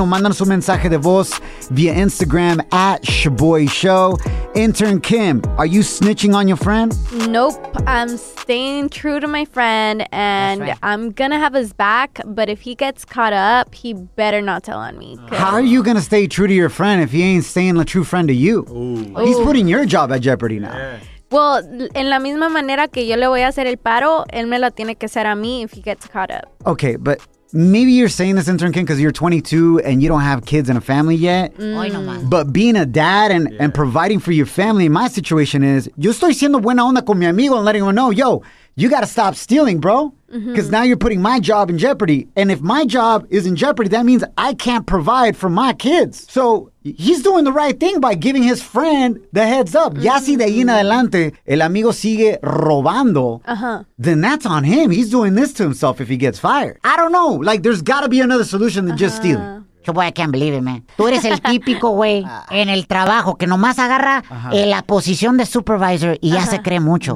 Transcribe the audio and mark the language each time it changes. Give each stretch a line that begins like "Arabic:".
Spanish: O mandanos un mensaje de voz via Instagram @ShaboyShow.
English: Intern Kim, are you snitching on your friend? Nope. I'm staying true to my friend and right. I'm going to have his back. But if he gets caught up, he better not tell on me. How are you going to stay true to your friend if he ain't staying a true friend to you? Ooh. He's putting your job at jeopardy now. Yeah.
Spanish: Well, en la misma manera que yo le voy a hacer el paro, él me lo tiene que hacer a mí
English: if he gets caught up. Okay, but maybe you're saying this, intern Kim, because you're 22 and you don't have kids and a family yet. But being a dad and providing for your family, my situation is,
Spanish: yo estoy siendo buena onda con mi amigo
English: and letting him know, yo, you got to stop stealing, bro. Because now you're putting my job in jeopardy. And if my job is in jeopardy, that means I can't provide for my kids. So he's doing the right thing by giving his friend the heads up.
Spanish: Ya si de ahí en adelante el amigo sigue robando,
English: then that's on him. He's doing this to himself if he gets fired. I don't know. Like, there's got to be another solution than just stealing. Boy, I can't believe it, man.
Spanish: Tú eres el típico güey en el trabajo que nomás agarra la posición de supervisor y ya se cree mucho.